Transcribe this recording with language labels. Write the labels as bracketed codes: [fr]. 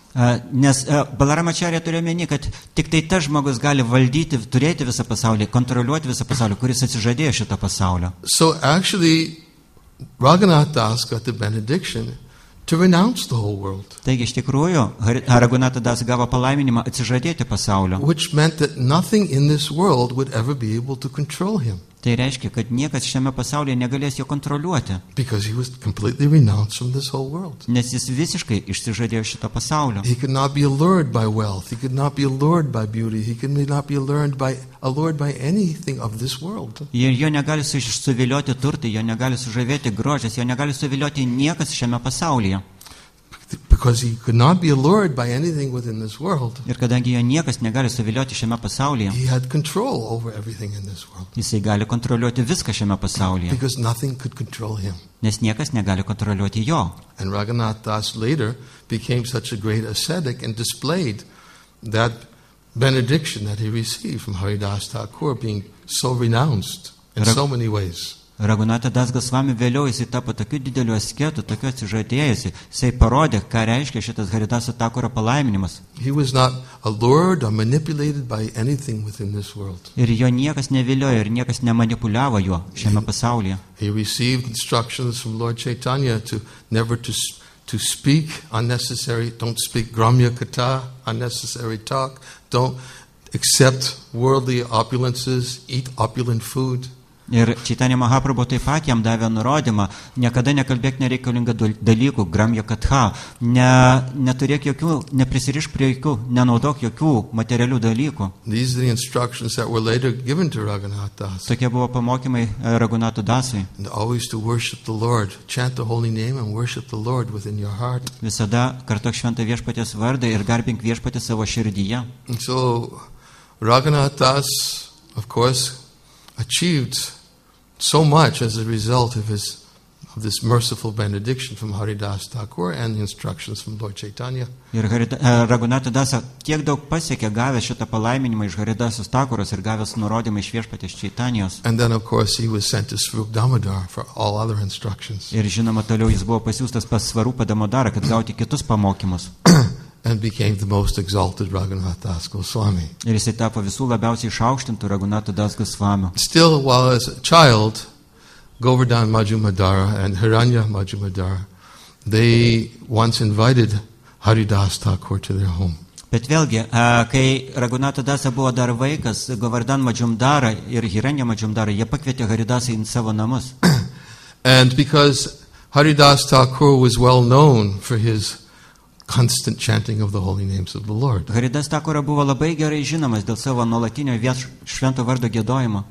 [lt] Nes Balarama Charya turėjo meni, kad tik tai ta žmogus gali valdyti, turėti visą pasaulį, kontroliuoti visą pasaulį, kuris atsižadėjo šitą pasaulio. [en] So actually, Raghunath Das got the benediction to renounce the whole world. [lt] Taigi, iš tikrųjų, Raghunath Das gavo palaiminimą atsižadėti pasaulio. [en] Which meant that nothing in this world would ever be able to control him. [lt] Tai reiškia, kad niekas šiame pasaulyje negalės jo kontroliuoti. [en] Because he was completely renounced from this whole world. [lt] Nes jis visiškai išsižadėjo šito pasaulio. [en] He could not be allured by wealth, he could not be allured by beauty, he could not be allured by anything of this world. [lt] Ir jo negali suvilioti turtai, jo negali sužavėti grožis, jo negali suvilioti niekas šiame pasaulyje. [en] Because he could not be allured by anything within this world. [lt] Ir kadangi jo niekas negali suvilioti šiame pasaulyje. [en] He had control over everything in this world. [lt] Jisai gali kontroliuoti viską šiame pasaulyje. [en] Because nothing could control him. [lt] Nes niekas negali kontroliuoti jo. [en] And Raghunath Das later became such a great ascetic and displayed that benediction that he received from Haridas Thakur being so renounced in so many ways. [lt] Raghunath Das Goswami vėliau jis tapo tokiu dideliu asketu, tokiu atsižadėjusi. Jisai parodė, ką reiškia šitas Haridas Thakuro palaiminimas. [en] He was not allured or manipulated by anything within this world. [lt] Ir jo niekas neviliojo ir niekas nemanipuliavo juo šiame pasaulyje. [en] He received instructions from Lord Chaitanya to never to speak unnecessary, don't speak gramya katha, unnecessary talk, don't accept worldly opulences, eat opulent food. [lt] Ir Čaitanya Mahaprabhu taip pat jam davė nurodymą, niekada nekalbėk nereikalingą dalykų, gramya katha, neturėk jokių, neprisirišk prie jokių, nenaudok jokių materialių dalykų. [en] These are the instructions that were later given to Raghunath Das. [lt] Tokie buvo pamokymai Raghunath Dasui. [en] Always to worship the Lord, chant the holy name and worship the Lord within your heart. [lt] Visada kartok šventą viešpatės vardą ir garbink viešpatį savo širdyje. [en] So, Raghunath Das, of course, achieved so much as a result of his of this merciful benediction from Haridas Thakur and the instructions from Lord Chaitanya. [lt] Ir Raghunath Das tiek daug pasiekė gavęs šitą palaiminimą iš Haridasos Thakuros ir gavęs nurodymą iš viešpatės Čaitanijos. [en] And then of course he was sent to Svarupa Damodara for all other instructions. [lt] Ir žinoma toliau jis buvo pasiųstas pas Svarupa Damodara kad gauti kitus pamokymus. [en] And became the most exalted Raghunath Das Goswami. [lt] Ir jis tapo visų labiausiai išaukštintų Raghunath Das Goswami. [en] Still, while as a child, Govardhan Majumdar and Hiranya Majumdar, they once invited Haridas Thakur to their home. [lt] Bet vėlgi, kai Raghunath Das buvo dar vaikas, Govardhan Majumdar ir Hiranya Majumdar, jie pakvietė Haridasą į savo namus. [en] And because Haridas Thakur was well known for his constant chanting of the holy names of the Lord. [lt] Haridas Thakura buvo labai gerai žinomas dėl savo nuolatinio švento vardo giedojimo.